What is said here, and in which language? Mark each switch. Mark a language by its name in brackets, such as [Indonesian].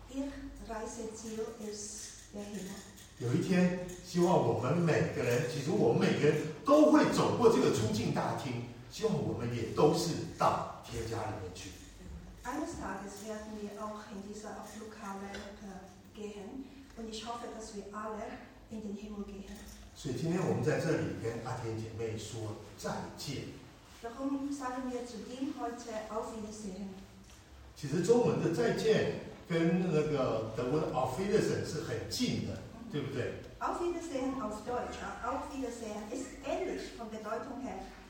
[German] Ihr Reiseziel ist der Himmel. [Chinese] 有一天，希望我们每个人，其实我们每个人都会走过这个出境大厅，希望我们也都是到天家里面去。 [German] Eines Tages werden wir auch in dieser Flughalle gehen, und ich hoffe, dass wir alle in den Himmel gehen. [Chinese] 所以今天我们在这里跟阿田姐妹说再见。 [German] Darum sagen wir zu ihnen heute auf Wiedersehen. [Chinese] 其实中文的再见跟那个德文的 Auf Wiedersehen 是很近的。对不对 [German] Auf Wiedersehen auf Deutsch, Auf Wiedersehen ist ähnlich von Bedeutung her.